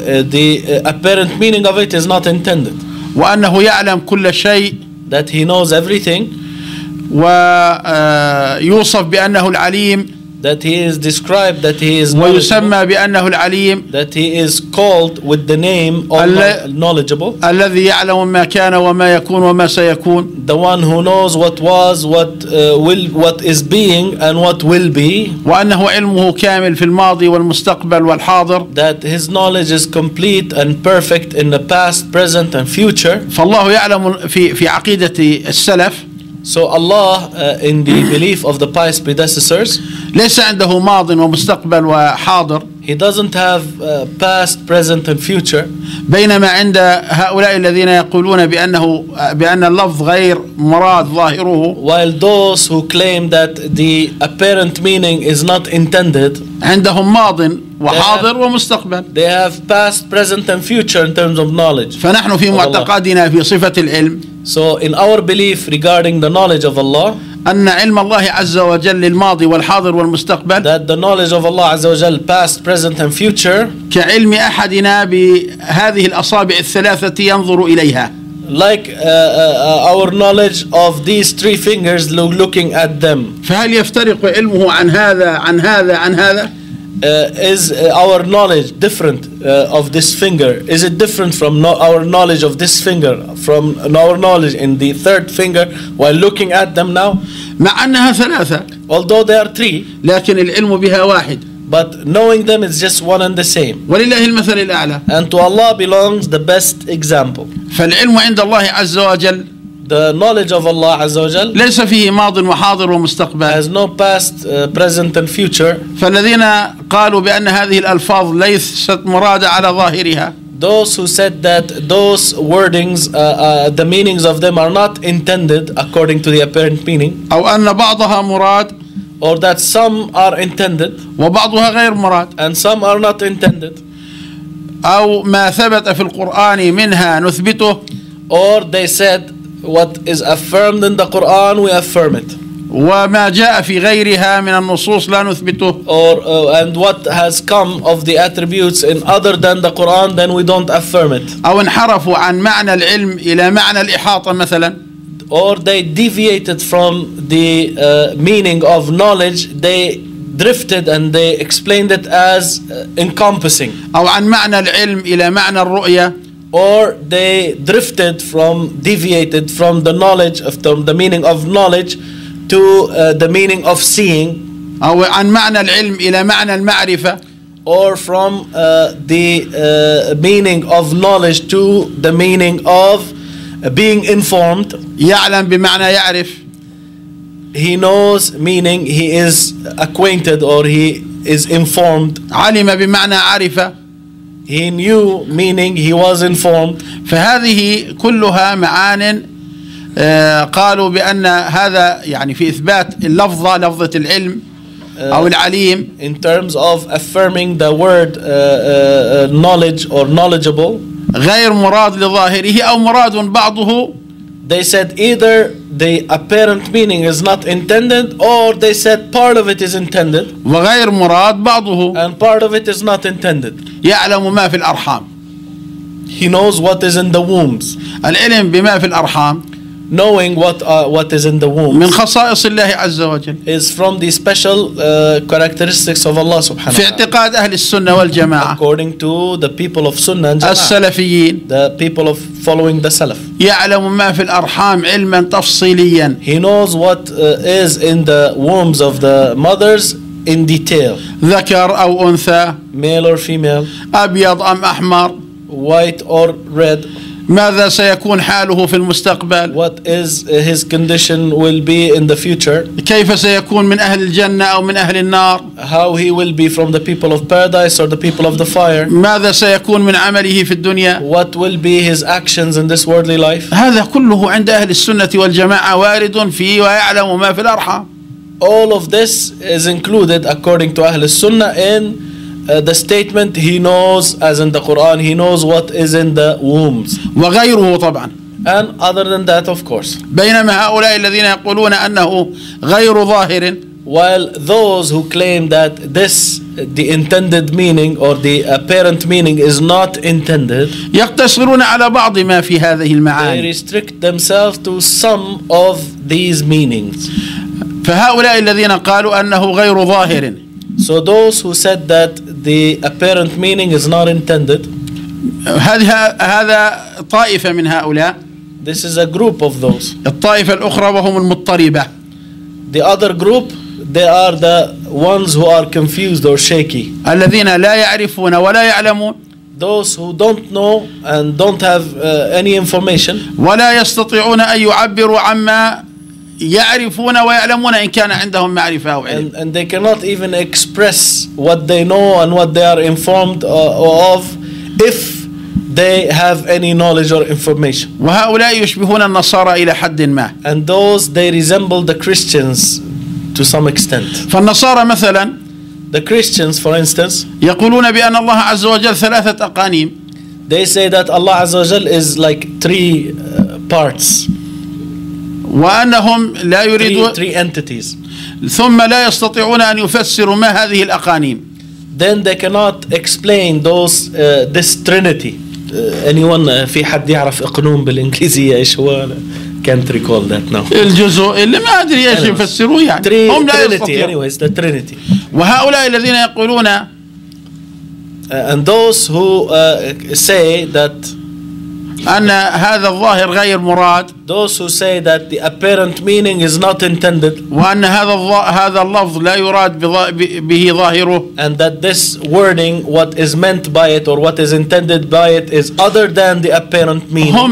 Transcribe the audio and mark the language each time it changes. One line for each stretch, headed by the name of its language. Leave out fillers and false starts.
English: the apparent meaning of it is not intended,
Arabic: وأنه يعلم كل شيء,
English: that he knows everything,
Arabic: ويوصف بأنه العليم,
English: that he is described that he is,
Arabic: ويسمى بأنه العليم,
English: that he is called with the name of knowledgeable,
Arabic: الذي يعلم ما كان وما يكون وما سيكون,
English: the one who knows what was, what will, what is being and what will be,
Arabic: وأنه علمه كامل في الماضي والمستقبل والحاضر,
English: that his knowledge is complete and perfect in the past, present and future.
Arabic: فالله يعلم في عقيدة السلف.
English: So Allah, in the belief of the pious predecessors,
Arabic: ليس عنده ماض ومستقبل وحاضر,
English: He doesn't have past, present, and future.
Arabic: بينما عند هؤلاء الذين يقولون بأنه بأن اللفظ غير مراد ظاهره.
English: While those who claim that the apparent meaning is not intended.
Arabic: عندهم ماض وحاضر ومستقبل.
English: They have past, present, and future in terms of knowledge.
Arabic: فنحن في معتقدنا في صفة العلم.
English: So in our belief regarding the knowledge of Allah.
Arabic: أن علم الله عز وجل الماضي والحاضر والمستقبل
English: that the knowledge of Allah عز وجل past, present and future
Arabic: كعلم أحدنا بهذه الأصابع الثلاثة ينظر إليها
English: like our knowledge of these three fingers looking at them.
Arabic: فهل يفترق علمه عن هذا عن هذا عن هذا
English: is our knowledge different of this finger is it different from our knowledge of this finger from our knowledge in the third finger while looking at them now
Arabic: مع أنها ثلاثة
English: although they are three
Arabic: لكن العلم بها واحد
English: but knowing them is just one and the same
Arabic: ولله المثل الأعلى
English: and to Allah belongs the best example
Arabic: فالعلم عند الله عز وجل
English: The knowledge of Allah عز وجل
Arabic: ليس فيه ماض وحاضر ومستقبل
English: has no past, present and future
Arabic: فالذين قالوا بأن هذه الألفاظ ليست مرادة على ظاهرها
English: those who said that those wordings the meanings of them are not intended according to the apparent meaning
Arabic: أو أن بعضها مراد
English: or that some are intended
Arabic: وبعضها غير مراد
English: and some are not intended
Arabic: أو ما ثبت في القرآن منها نثبته
English: or they said What is affirmed in the Quran, we affirm it.
Arabic: وما جاء في غيرها من النصوص لا نثبته.
English: And what has come of the attributes in other than the Quran, then we don't affirm it.
Arabic: أو انحرفوا عن معنى العلم إلى معنى الإحاطة مثلا.
English: Or they deviated from the meaning of knowledge. They drifted and they explained it as encompassing.
Arabic: أو عن معنى العلم إلى معنى الرؤية.
English: Or they drifted from, deviated from the knowledge of from the meaning of knowledge to the meaning of seeing.
Arabic: أو عن معنى العلم إلى معنى المعرفة.
English: Or from the meaning of knowledge to the meaning of being informed.
Arabic: يعلم بمعنى يعرف.
English: He knows meaning. He is acquainted or he is informed.
Arabic: علم بمعنى عرفة.
English: He knew, meaning he was informed.
Arabic: فهذه كلها معان قالوا بأن هذا يعني في إثبات اللفظة لفظة العلم أو العليم.
English: In terms of affirming the word knowledge or knowledgeable.
Arabic: غير مراد لظاهره أو مراد بعضه.
English: They said either the apparent meaning is not intended or they said part of it is intended.
Arabic: وغير مراد بعضه.
English: And part of it is not intended.
Arabic: يعلم ما في الأرحام.
English: He knows what is in the wombs.
Arabic: العلم بما في الأرحام.
English: Knowing what is in the wombs.
Arabic: من خصائص الله عز وجل.
English: Is from the special characteristics of Allah سبحانه.
Arabic: في اعتقاد أهل السنة والجماعة.
English: According to the people of Sunnah and Jama'ah. السلفيين. The people of following the Salaf.
Arabic: يعلم ما في الأرحام علما تفصيليا.
English: He knows what is in the wombs of the mothers. In detail.
Arabic: ذكر أو أنثى.
English: Male or female.
Arabic: أبيض أم أحمر.
English: White or red.
Arabic: ماذا سيكون حاله في المستقبل؟
English: What is his condition will be in the future?
Arabic: كيف سيكون من أهل الجنة أو من أهل النار؟
English: How he will be from the people of paradise or the people of the fire?
Arabic: ماذا سيكون من عمله في الدنيا؟
English: What will be his actions in this worldly life?
Arabic: هذا كله عند أهل السنة والجماعة وارد فيه ويعلم ما في الأرحام.
English: All of this is included according to Ahl al-Sunnah in the statement he knows as in the Quran he knows what is in the wombs
Arabic: وغيره طبعا
English: and other than that of course
Arabic: بينما هؤلاء الذين يقولون أنه غير ظاهر
English: while those who claim that this the intended meaning or the apparent meaning is not intended
Arabic: يقتصرون على بعض ما في هذه المعاني
English: they restrict themselves to some of these meanings
Arabic: فهؤلاء الذين قالوا أنه غير ظاهر.
English: So those who said that the apparent meaning is not intended.
Arabic: هذا طائفة من هؤلاء.
English: This is a group of those.
Arabic: الطائفة الأخرى وهم المضطربة.
English: The other group, they are the ones who are confused or shaky.
Arabic: الذين لا يعرفون ولا يعلمون.
English: Those who don't know and don't have any information.
Arabic: ولا يستطيعون أن يعبروا عما يعرفون ويعلمون إن كان عندهم معرفة أو علم.
English: And they cannot even express what they know and what they are informed of if they have any knowledge or information.
Arabic: وهؤلاء يشبهون النصارى إلى حد ما.
English: And those they resemble the Christians to some extent.
Arabic: فالنصارى مثلا,
English: the Christians for instance,
Arabic: يقولون بأن الله عز وجل ثلاثة أقانيم.
English: They say that Allah عز وجل is like three parts.
Arabic: وأنهم لا يريدون
English: three entities.
Arabic: ثم لا يستطيعون أن يفسروا ما هذه الأقانيم.
English: Then they cannot explain those this Trinity. Anyone
Arabic: في حد يعرف إقنوم بالإنجليزية إيش هو؟
English: Can't recall that now.
Arabic: الجزء اللي ما أدري إيش يفسروا يعني. هم لا
English: anyways, the Trinity.
Arabic: وهؤلاء الذين يقولون
English: and those who say that
Arabic: أن هذا الظاهر غير مراد,
English: those who say that the apparent meaning is not intended,
Arabic: وأن هذا اللفظ لا يراد به ظاهره,
English: and that this wording, what is meant by it or what is intended by it, is other than the apparent meaning.